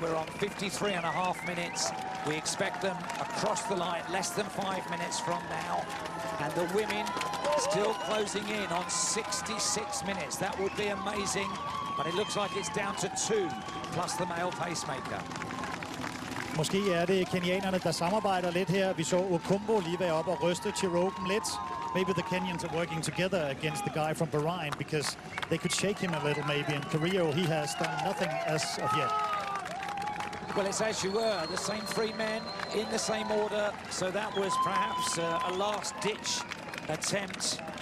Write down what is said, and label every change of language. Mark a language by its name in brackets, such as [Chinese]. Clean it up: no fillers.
[English] We're on 53 and a half minutes. We expect them across the line less than 5 minutes from now. And the women still closing in on 66 minutes. That would be amazing, but it looks like it's down to two plus the male pacemaker. [Danish] Måske er det kenyanerne, der samarbejder lidt her. Vi så Okumbo lige være op og ryste Chiropen lidt. [English] Maybe the Kenyans are working together against the guy from Bahrain because they could shake him a little maybe. In Korea, he has done nothing as of yet. Well, it's as you were, the same three men in the same order. So that was perhaps a last-ditch attempt.